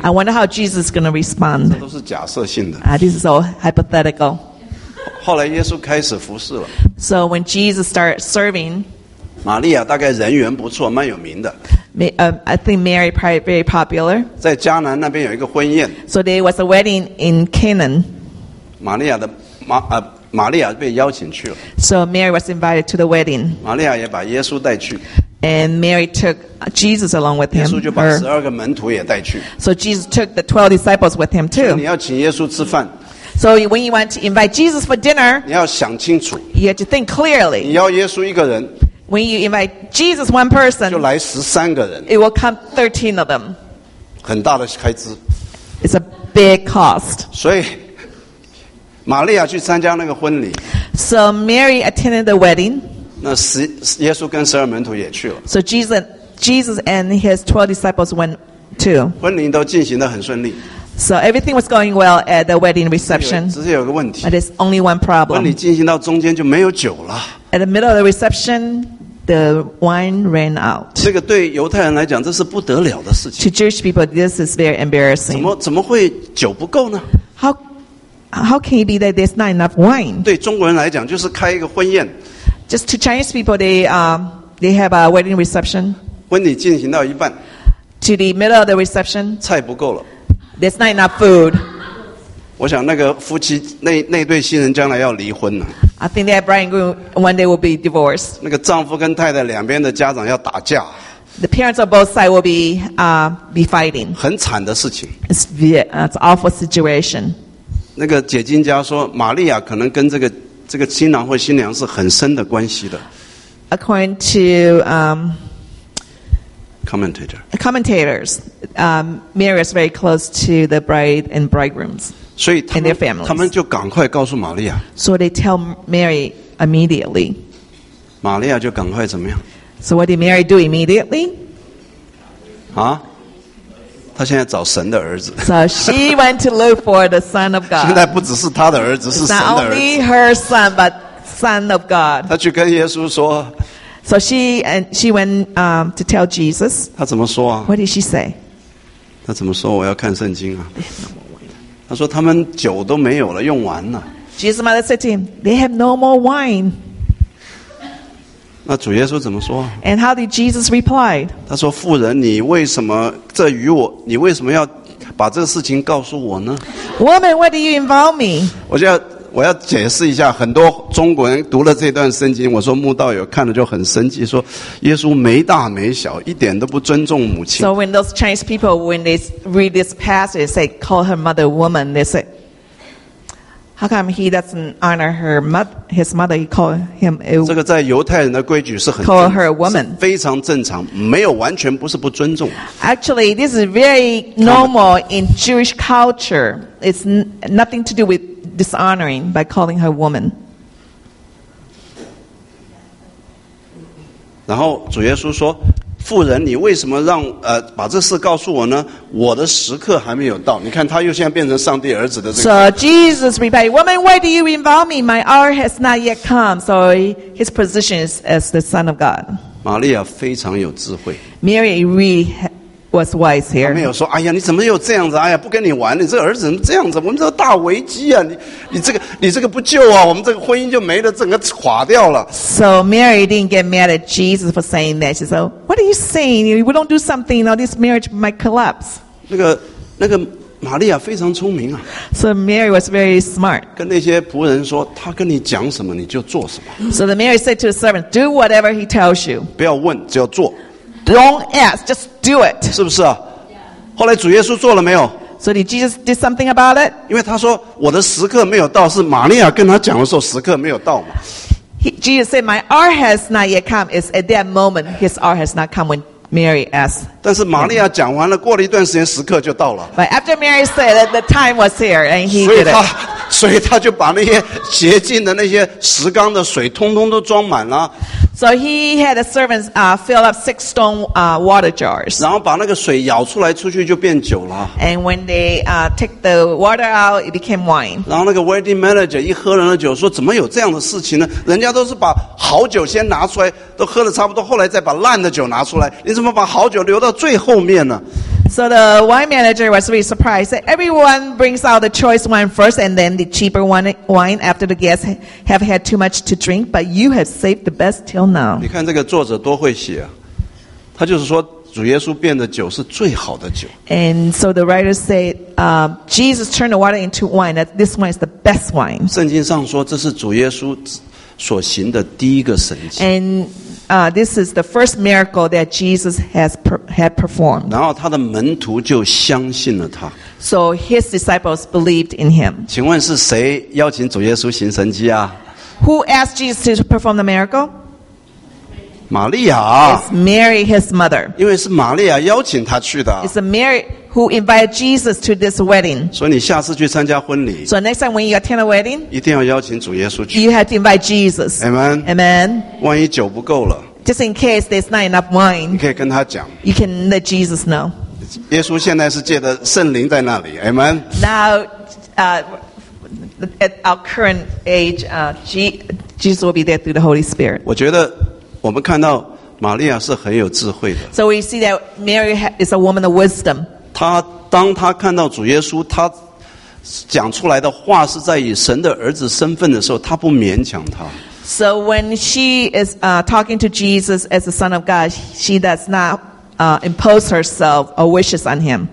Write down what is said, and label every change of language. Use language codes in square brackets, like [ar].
[en] I wonder how Jesus is going to respond. [zh] 这都是假设性的。 [en] This is all hypothetical. [zh] 后来耶稣开始服侍了。 [en] So when Jesus started serving. [zh] 玛利亚大概人缘不错，蛮有名的。 [en] I think Mary probably very popular. [zh] 在迦南那边有一个婚宴。 [en] So there was a wedding in Canaan. [zh] 玛利亚的妈玛利亚被邀请去了。 [en] So Mary was invited to the wedding. [zh] 玛利亚也把耶稣带去。 [en] And Mary took Jesus along with him. [zh] 耶稣就把十二个门徒也带去。 [en] So Jesus took the 12 disciples with him too. [zh] 你要请耶稣吃饭。 [en] So when you want to invite Jesus for dinner, [zh] 你要想清楚。 [en] You have to think clearly. [zh] 你要耶稣一个人。 [en] When you invite Jesus one person, [zh] 就来十三个人。 [en] It will come 13 of them. [zh] 很大的开支。 [en] It's a big cost. [zh] 所以玛利亚去参加那个婚礼。 [en] So Mary attended the wedding. [zh] 那耶稣跟十二门徒也去了。 [en] So Jesus and his 12 disciples went too. [zh] 婚礼都进行得很顺利。 [en] So everything was going well at the wedding reception. [zh] 只是有个问题。 [en] But there's only one problem. [zh] 婚礼进行到中间就没有酒了。 [en] At the middle of the reception, the wine ran out. [zh] 这个对犹太人来讲，这是不得了的事情。 [en] To Jewish people, this is very embarrassing. [zh] 怎么会酒不够呢？ [en] How can it be that there's not enough wine? [zh] 对中国人来讲，就是开一个婚宴。 [en] Just to Chinese people, they have a wedding reception. [zh] 婚礼进行到一半。 [en] To the middle of the reception. [zh] 菜不够了。 [en] There's not enough food. [zh] 我想那个夫妻那对新人将来要离婚了。 [en] I think that bride and groom one day will be divorced. [zh] 那个丈夫跟太太两边的家长要打架。 [en] The parents of both sides will be fighting. [zh] 很惨的事情。 [en] It's an awful situation. [zh] 那个解经家说，玛利亚可能跟这个新郎或新娘是很深的关系的。 [en] According to commentators, Mary is very close to the bride and bridegrooms. [zh] 所以他们就赶快告诉玛利亚。 [en] So they tell Mary immediately. [zh] 玛利亚就赶快怎么样 [en] ？So what did Mary do immediately? [zh] 啊？他现在找神的儿子。 [en] So she went to look for the son of God. [zh] 现在不只是他的儿子，是神的儿子。 [en] Not only her son, but son of God. [zh] 他去跟耶稣说。 [en] So she went to tell Jesus. [zh] 他怎么说啊 [en] ？What did she say? [zh] 他怎么说？我要看圣经啊。他说他们酒都没有了，用完了。 [en] Jesus' mother said to him, "They have no more wine." [zh] 那主耶稣怎么说 [en] ？And how did Jesus reply? [zh] 他说：“妇人，你为什么这与我？你为什么要把这个事情告诉我呢 [en] ？”Woman, why do you involve me? [zh] 我要解释一下，很多中国人读了这段圣经，我说慕道友看了就很生气，说耶稣没大没小，一点都不尊重母亲。 [en] So when those Chinese people when they read this passage, they say call her mother woman. They say, how come he doesn't honor her mother? His mother, he call him. [zh] 这个在犹太人的规矩是很 [en] call her woman [zh] 非常正常，没有完全不是不尊重。 [en] Actually, this is very normal in Jewish culture. It's nothing to do with. Dishonoring by calling her woman. [zh] 然后主耶稣说，妇人，你为什么让把这事告诉我呢？我的时刻还没有到。你看，他又现在变成上帝儿子的这个。 [en] So Jesus replied, "Woman, why do you involve me? My hour has not yet come." So his position is as the Son of God. [zh] 玛利亚非常有智慧。 [en] Mary really was wise here. [zh] 没有说，哎呀，你怎么又这样子？哎呀，不跟你玩，你这儿子怎么这样子？我们这大危机啊！你这个不救啊，我们这个婚姻就没了，整个垮掉了。 [en] So Mary didn't get mad at Jesus for saying that. She said, "What are you saying? If we don't do something, now this marriage might collapse." [zh] 那个玛利亚非常聪明啊。 [en] So Mary was very smart. [zh] 跟那些仆人说，他跟你讲什么，你就做什么。 [en] So the Mary said to the servant, "Do whatever he tells you." [zh] 不要问，只要做。 [en] Don't ask, just do it. [zh] 是不是啊？后来主耶稣做了没有？ [en] So did Jesus do something about it? [zh] 因为他说我的时刻没有到，是玛利亚跟他讲的时候时刻没有到嘛。 [en] Jesus said, "My hour has not yet come." It's at that moment his hour has not come when Mary asked. [zh] 但是玛利亚讲完了，过了一段时间，时刻就到了。 [en] But after Mary said it, the time was here, and he did it. [zh] 所以他就把那些洁净的那些石缸的水，通通都装满了。 [en] So he had a servant fill up 6 stone water jars. [zh] 然后把那个水舀出来出去就变酒了。 [en] And when they take the water out, it became wine. [zh] 然后那个 [en] wedding manager [zh] 一喝人的酒说，怎么有这样的事情呢？人家都是把好酒先拿出来，都喝了差不多，后来再把烂的酒拿出来，你怎么把好酒留到最后面呢？ [en] So the wine manager was really surprised. Everyone brings out the choice wine first and then the cheaper wine after the guests have had too much to drink, but you have saved the best till now. [zh] 你看这个作者多会写啊，他就是说主耶稣变的酒是最好的酒。 [en] And so the writer said, Jesus turned the water into wine, that this one is the best wine. [zh] 圣经上说这是主耶稣所行的第一个神迹。 [en] And this is the first miracle that Jesus had performed. [zh] 然后他的门徒就相信了他。 [en] So his disciples believed in him. [zh] 请问是谁邀请主耶稣行神迹啊？ [en] Who asked Jesus to perform the miracle? [zh] 玛利亚。 [en] It's Mary, his mother. [zh] 因为是玛利亚邀请他去的。 [en] It's Mary who invited Jesus to this wedding. [zh] 所以你下次去参加婚礼。 [en] So next time when you attend a wedding, [zh] 一定要邀请主耶稣去。 [en] You have to invite Jesus. Amen. Amen. [zh] 万一酒不够了。 [en] Just in case there's not enough wine. [zh] 你可以跟他讲。 [en] You can let Jesus know. [zh] 耶稣现在是借着圣灵在那里。 [en] Amen. Now, at our current age, Jesus will be there through the Holy Spirit. [zh] 我觉得我们看到玛利亚是很有智慧的。 [en] So we see that Mary is a woman of wisdom. [zh] 她当她看到主耶稣，她讲出来的话是在以神的儿子身份的时候，她不勉强他。 [en] So when she is talking to Jesus as the Son of God, she does not impose herself or wishes on him.